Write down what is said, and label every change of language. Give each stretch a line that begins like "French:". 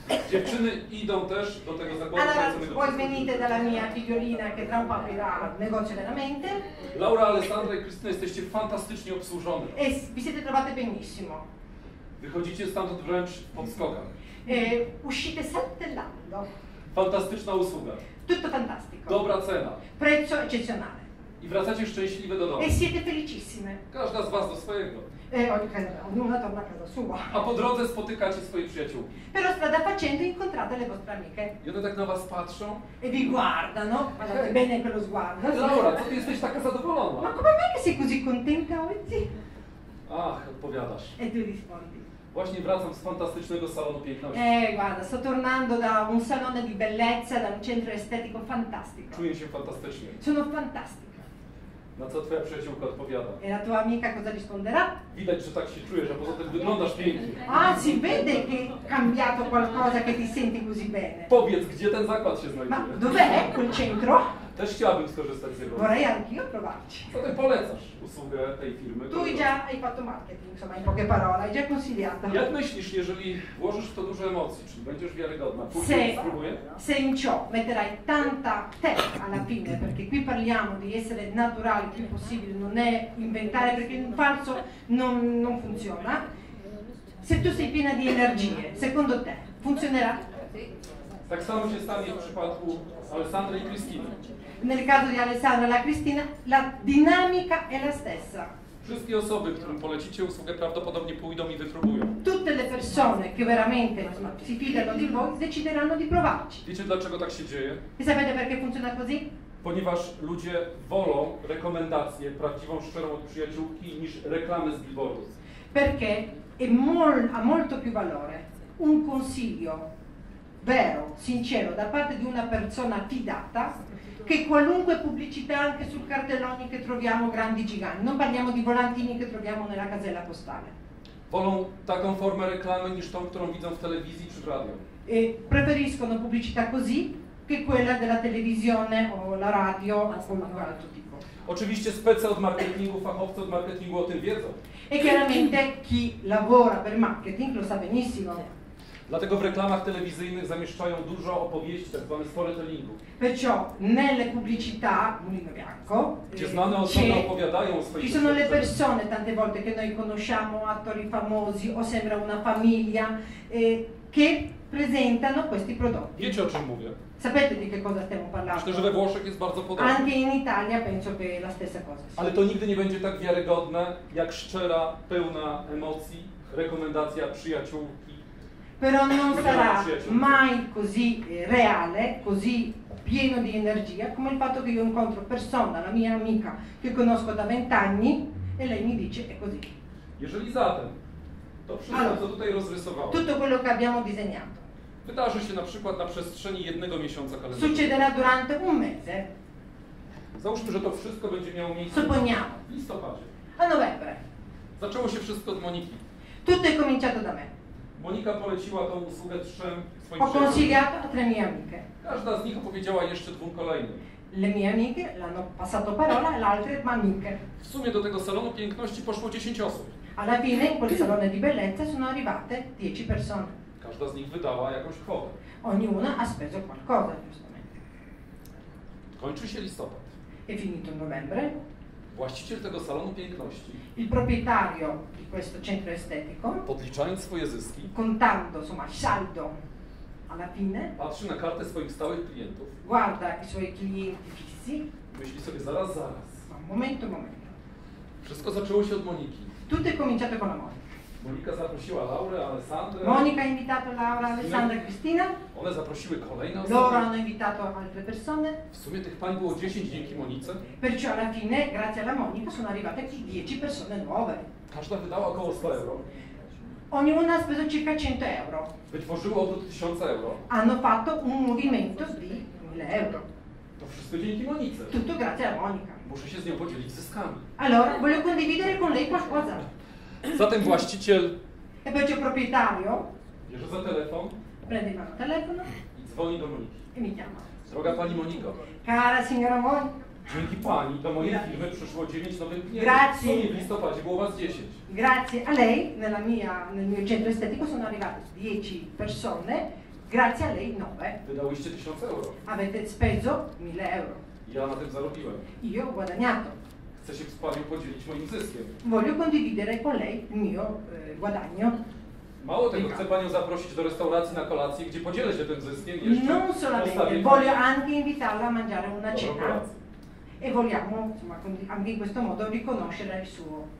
Polish: Dziewczyny idą też do tego zakładu.
Italian: Allora, puoi venire dalla mia figliolina che tra un po' aprirà il negozio veramente.
Polish: Laura, Alessandra e Cristina, jesteście fantastycznie obsłużone.
Italian: E vi siete trovate benissimo.
Polish: Wychodzicie stamtąd wręcz pod skokiem.
Italian: Uscite saltellando.
Polish: Fantastyczna usługa.
Italian: Tutto fantastico.
Polish: Dobra cena.
Italian: Prezzo eccezionale.
Polish: I wracacie szczęśliwe do domu.
Italian: E siete felicissime.
Polish: Każda z was do swojego.
Italian: Ognuna torna a casa sua.
Polish: A po drodze spotykacie swoje przyjaciółki.
Italian: Però strada facendo incontrate le vostre amiche.
Polish: I one tak na was patrzą.
Italian: E vi guardano. Guardate bene quello sguardo.
Polish: Laura, co ty jesteś taka zadowolona?
Italian: Ma come mai che sei così contenta oggi?
Polish: Ach, odpowiadasz.
Italian: E tu rispondi.
Polish: Właśnie wracam z fantastycznego salonu piękności.
Italian: Guarda, sto tornando da un salone di bellezza, da un centro estetico fantastico.
Polish: Czuję się fantastycznie.
Italian: Sono fantastica.
Polish: Na co twoja przyjaciółka odpowiada?
Italian: E la tua amica cosa risponderà?
Polish: Widać, że tak się czujesz, a poza tym wyglądasz pięknie.
Italian: Si vede che è cambiato qualcosa, che ti senti così bene.
Polish: Powiedz, gdzie ten zakład się znajduje?
Italian: Ma dov'è quel centro?
Polish: Też chciałabym skorzystać z jego.
Italian: Vorrei anch'io provarci.
Polish: Co ty polecasz usługę tej firmy?
Italian: Tu già hai fatto marketing, insomma, in poche parole, hai già consigliato.
Polish: Jak myślisz, jeżeli włożysz w to dużo emocji, czyli będziesz wiarygodna, później spróbuję?
Italian: Se in ciò metterai tanta te alla fine, perché qui parliamo di essere naturali il più possibile, non è inventare, perché un falso non funziona. Se tu sei piena di energie, secondo te funzionerà?
Polish: Tak samo się stanie w przypadku Alessandra i Cristina.
Italian: Nel caso di Alessandra e la Cristina, la dinamica è la stessa.
Polish: Wszystkie osoby, którym polecicie usługę, prawdopodobnie pójdą i wypróbują.
Italian: Tutte le persone che veramente si fidano di voi decideranno di provarci.
Polish: Wiecie, dlaczego tak się dzieje?
Italian: E sapete perché funziona così?
Polish: Ponieważ ludzie wolą rekomendację prawdziwą, szczerą od przyjaciółki niż reklamę z billboardu.
Italian: Perché ha molto più valore un consiglio vero, sincero, da parte di una persona fidata, che qualunque pubblicità anche sul cartellone che troviamo grandi giganti. Non parliamo di volantini che troviamo nella casella postale.
Polish: Wolą taką formę reklamy niż tą, którą widzą w telewizji czy w radio.
Italian: E preferiscono pubblicità così che quella della televisione o la radio o qualunque altro tipo.
Polish: Oczywiście specy od marketingu, fachowcy od marketingu o tym wiedzą.
Italian: E chiaramente chi lavora per marketing lo sa benissimo.
Polish: Dlatego w reklamach telewizyjnych zamieszczają dużo opowieści, tak zwane storytellingu.
Italian: Perciò nelle pubblicità, mulino bianco,
Polish: gdzie znane osoby opowiadają o swoich historiach.
Italian: Ci sono le persone tante volte che noi conosciamo, attori famosi, o sembra una famiglia, che presentano questi prodotti.
Polish: Wiecie, o czym mówię.
Italian: Sapete di che cosa stiamo parlando?
Polish: Myślę, że we Włoszech jest bardzo podobne.
Italian: Anche in Italia penso che la stessa cosa.
Polish: Ale to nigdy nie będzie tak wiarygodne, jak szczera, pełna emocji, rekomendacja przyjaciółki.
Italian: Però non sarà mai così reale, così pieno di energia, come il fatto che io incontro persona, la mia amica, che conosco da 20 anni, e lei mi dice è così.
Polish: Jeżeli zatem, to wszystko,
Italian: allora,
Polish: co tutaj rozrysowałem.
Italian: Tutto quello che abbiamo disegnato.
Polish: Wydarzy się na przykład na przestrzeni jednego miesiąca kalendarza.
Italian: Succederà durante un mese.
Polish: Załóżmy, że to wszystko będzie miało miejsce.
Italian: Supponiamo.
Polish: W listopadzie.
Italian: A novembre.
Polish: Zaczęło się wszystko od Moniki.
Italian: Tutto è cominciato da me.
Polish: Monika poleciła tą usługę trzem swoim przyjaciółom.
Italian: Ho consigliato a tre mie amiche.
Polish: Każda z nich opowiedziała jeszcze dwóm kolejnym.
Italian: Le mie amiche l'hanno passato parola, le altre amiche.
Polish: W sumie do tego salonu piękności poszło 10 osób.
Italian: Alla fine in quel salone di bellezza sono arrivate 10 persone.
Polish: Każda z nich wydała jakąś kwotę.
Italian: Ognuna ha speso qualcosa, giustamente.
Polish: Kończy się listopad.
Italian: E finito novembre.
Polish: Właściciel tego salonu piękności.
Italian: Il proprietario di questo centro estetico.
Polish: Podliczając swoje zyski.
Italian: Contando, insomma, saldo. Alla fine.
Polish: Patrzy na kartę swoich stałych klientów.
Italian: Guarda i suoi clienti fissi.
Polish: Myśli sobie zaraz, zaraz.
Italian: Momento, momento.
Polish: Wszystko zaczęło się od Moniki.
Italian: Tutto è cominciato con la Monica.
Polish: Monika zaprosiła Laurę, Alessandrę.
Italian: Monika invitato Laura, Alessandra, Cristina.
Polish: One zaprosiły kolejne osoby.
Italian: Loro hanno invitato altre persone.
Polish: W sumie tych pań było 10 dzięki Monice.
Italian: Perciò alla fine, grazie alla Monica, sono arrivate 10 persone nuove.
Polish: Każda wydała około 100 euro.
Italian: Ognuna ha speso circa 100 euro.
Polish: Wytworzyło około 1000 euro.
Italian: Hanno fatto un movimento di 1000 euro.
Polish: To wszystko dzięki Monice.
Italian: Tutto grazie alla Monica.
Polish: Muszę się z nią podzielić zyskami.
Italian: Allora, voglio condividere con lei qualcosa.
Polish: Zatem właściciel.
Italian: E
Polish: będzie
Italian: proprietario.
Polish: Bierze za telefon.
Italian: Prende mano telefono.
Polish: I dzwoni do Moniki.
Italian: E mi chiama.
Polish: Droga pani Moniko.
Italian: Cara signora Moni.
Polish: Dzięki pani do mojej firmy przyszło 9 nowych klientów.
Italian: Grazie.
Polish: W listopadzie było was 10.
Italian: Grazie. A lei, nella mia, nel mio centro estetico sono arrivate 10 persone. Grazie a lei 9.
Polish: Wydałyście 1000 euro.
Italian: Avete speso 1000 euro.
Polish: Ja na tym zarobiłem.
Italian: Io ho guadagnato.
Polish: Chcę się z panią podzielić moim zyskiem.
Italian: Voglio condividere con lei il mio guadagno.
Polish: Mało tego, chcę panią zaprosić do restauracji na kolację, gdzie podzielę się tym zyskiem.
Italian: Non solamente, voglio anche invitarla a mangiare una cena. E vogliamo, insomma, anche in questo modo riconoscere il suo.